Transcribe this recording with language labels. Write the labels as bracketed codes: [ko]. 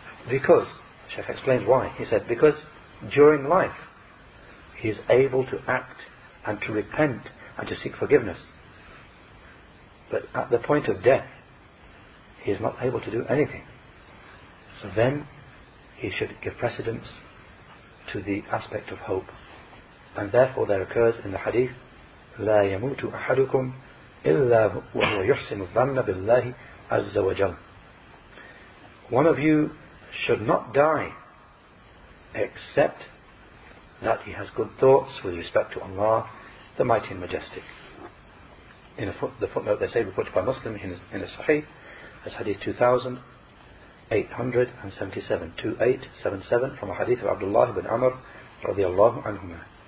[en] Because, Sheikh explains why, he said, because during life, he is able to act and to repent and to seek forgiveness. But at the point of death, he is not able to do anything. So then, he should give precedence to the aspect of hope. And therefore there occurs in the hadith, [ar] لا يموت أحدكم إلا وهو يحسن الظن بالله عز وجل. [en] One of you should not die except that he has good thoughts with respect to Allah, the Mighty and Majestic. In the footnote they say, reported by Muslim in the Sahih, as hadith 2877, 2877, from a hadith of Abdullah ibn Amr radiallahu anhumah.